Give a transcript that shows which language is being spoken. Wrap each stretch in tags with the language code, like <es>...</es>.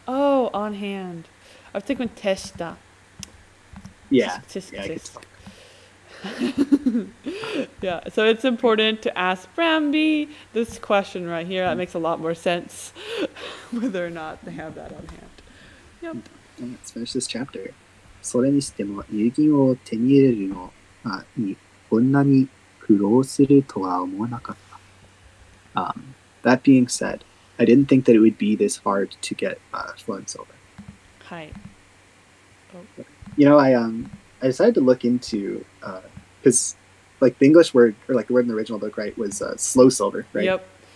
<en>Oh, on hand. I was thinking Testa. Yeah. Yeah, so it's important to ask Bramby this question right here. That makes a lot more sense whether or not they have that on hand. Yep. Let's finish this chapter.</en> <ja>それにしても、郵金を手に入れるのにこんなに苦労するとは思わなかった。</ja> <en>That being said, I didn't think that it would be this hard to get flowing silver.</en> <ja>はい。</ja> <en>You know, I decided to look into... Because, like, the English word, or, like, the word in the original book, right, was slow silver, right? Yep.</en>